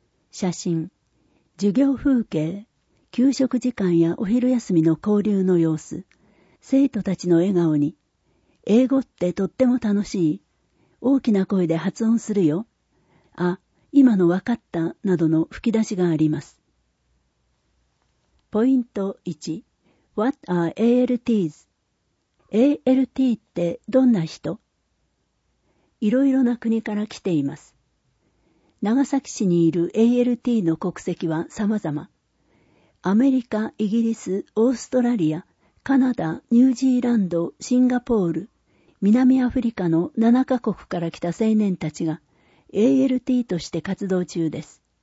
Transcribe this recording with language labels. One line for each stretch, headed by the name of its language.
Japanese: 写真、授業風景、給食時間やお昼休みの交流の様子、生徒たちの笑顔に、英語ってとっても楽しい、大きな声で発音するよ、あ、今のわかった、などの吹き出しがあります。ポイント1、
English: What are ALTs?
Japanese: ALT ってどんな人？いろいろな国から来ています。長崎市にいる ALT の国籍は様々。アメリカ、イギリス、オーストラリア、カナダ、ニュージーランド、シンガポール、南アフリカの7カ国から来た青年たちが ALT として活動中です。